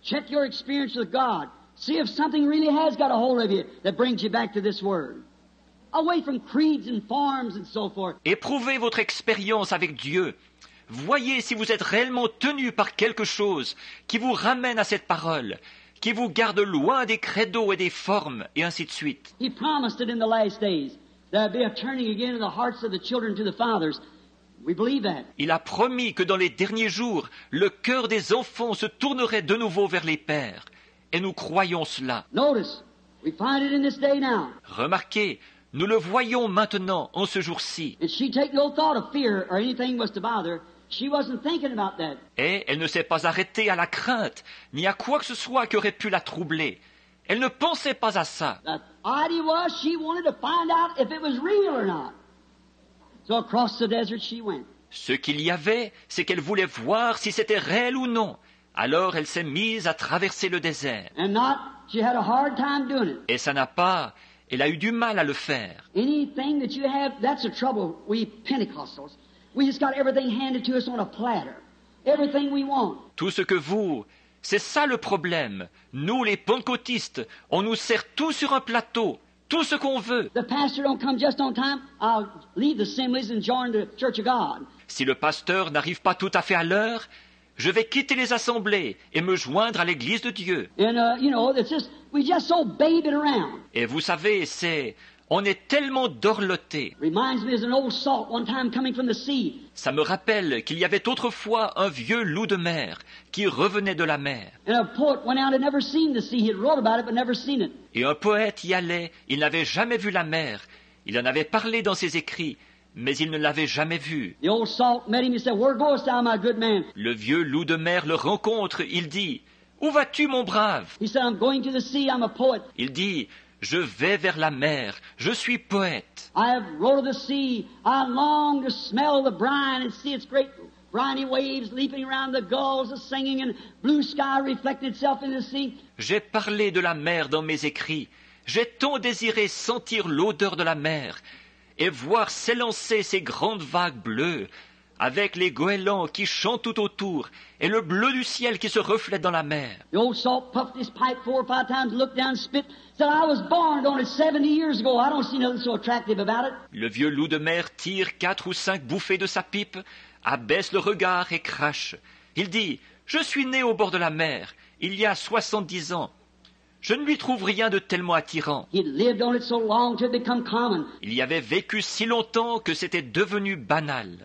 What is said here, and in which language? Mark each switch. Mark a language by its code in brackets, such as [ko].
[en] Check your experience with God. See if something really has got a hold of you that brings you back to this word. Away from creeds and forms and so forth. [fr] Éprouvez votre expérience avec Dieu. Voyez si vous êtes réellement tenu par quelque chose qui vous ramène à cette parole, qui vous garde loin des credos et des formes, et ainsi de suite. [en] He promised it in the last days. There will be a turning again of the hearts of the children to the fathers. We believe that. [fr] Il a promis que dans les derniers jours, le cœur des enfants se tournerait de nouveau vers les pères. Et nous croyons cela. [en] Notice, we find it in this day now. [fr] Remarquez, nous le voyons maintenant, en ce jour-ci. [en] And she take no thought of fear or anything was to bother. She wasn't thinking about that. [fr] Et elle ne s'est pas arrêtée à la crainte, ni à quoi que ce soit qui aurait pu la troubler. Elle ne pensait pas à ça. [en] The idea was she wanted to find out if it was real or not. So across the desert she went. [fr] Ce qu'il y avait, c'est qu'elle voulait voir si c'était réel ou non. Alors elle s'est mise à traverser le désert. [en] And not, she had a hard time doing it. [fr] Et ça n'a pas, Elle a eu du mal à le faire. [en] Anything that you have, that's a trouble, we Pentecostals. We just got everything handed to us on a platter. Everything we want. [fr] Tout ce que vous, c'est ça le problème. Nous, les pentecôtistes, on nous sert tout sur un plateau, tout ce qu'on veut. [en] The pastor don't come just on time, I'll leave the assemblies and join the Church of God. [fr] Si le pasteur n'arrive pas tout à fait à l'heure, je vais quitter les assemblées et me joindre à l'Église de Dieu. [en] And, you know, it's just, we just so babying around. [fr] Et vous savez, c'est... On est tellement dorlotés. [en] Reminds me of an old salt one time coming from the sea. [fr] Ça me rappelle qu'il y avait autrefois un vieux loup de mer qui revenait de la mer. [en] And a poet went out and never seen the sea. He had wrote about it but never seen it. [fr] Et un poète y allait, il n'avait jamais vu la mer. Il en avait parlé dans ses écrits, mais il ne l'avait jamais vu. [en] The old salt met him and said, "Where goest thou, my good man?" [fr] Le vieux loup de mer le rencontre, il dit, "Où vas-tu, mon brave?" [en] He said, "I'm going to the sea. I'm a poet." [fr] Il dit, je vais vers la mer, je suis poète. [en] I have rowed the sea, I long to smell the brine and see its great briny waves leaping around, the gulls are singing and blue sky reflecting itself in the sea. [fr] J'ai parlé de la mer dans mes écrits. J'ai tant désiré sentir l'odeur de la mer et voir s'élancer ces grandes vagues bleues avec les goélands qui chantent tout autour et le bleu du ciel qui se reflète dans la mer. [en] The old salt puffed his pipe four or five times, looked down, spit, said, "I was born on it 70 years ago. I don't see nothing so attractive about it." [fr] Le vieux loup de mer tire quatre ou cinq bouffées de sa pipe, abaisse le regard et crache. Il dit, « Je suis né au bord de la mer, il y a 70 ans. Je ne lui trouve rien de tellement attirant. [en] He lived on it so long to become common. [fr] Il y avait vécu si longtemps que c'était devenu banal.